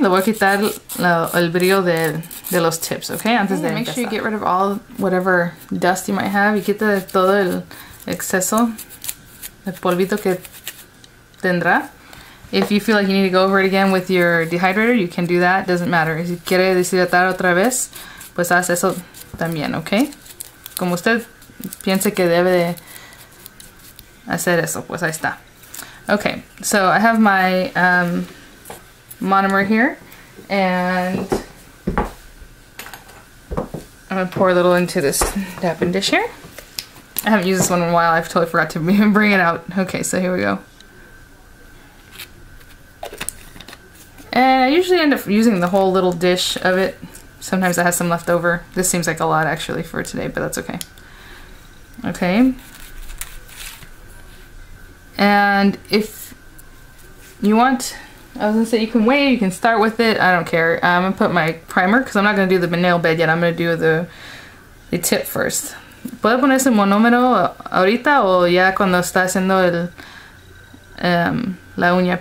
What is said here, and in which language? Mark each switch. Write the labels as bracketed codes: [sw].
[es] Lo voy a quitar el brillo de los tips, okay? Antes de [en] make sure you get rid of all whatever dust you might have. You get the [es] todo el exceso de polvito que tendrá. [en] If you feel like you need to go over it again with your dehydrator, you can do that. It doesn't matter. [es] Si quiere deshidratar otra vez, pues haz eso también, okay? Como usted piense que debe de hacer eso, pues ahí está. [en] Okay, so I have my monomer here, and I'm going to pour a little into this dappin dish here. I haven't used this one in a while. I've totally forgot to bring it out. Okay, so here we go. And I usually end up using the whole little dish of it. Sometimes I have some left over. This seems like a lot, actually, for today, but that's okay. Okay. And if you want, I was going to say, you can wait, you can start with it. I don't care. I'm going to put my primer, because I'm not going to do the nail bed yet. I'm going to do the tip first. [es] ¿Puedo poner ese monómero ahorita o ya cuando está haciendo el la uña?